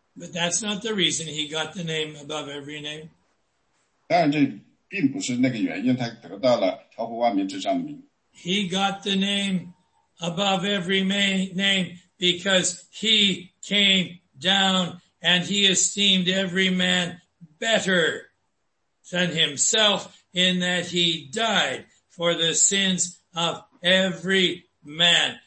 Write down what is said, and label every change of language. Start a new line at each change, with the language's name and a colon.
English: But that's not the reason he got the name above every name.
Chinese: 当然这并不是那个原因，他得到了超乎万民之上的名。
English: He got the name above every name because he came down and he esteemed every man better than himself in that he died for the sins of every man.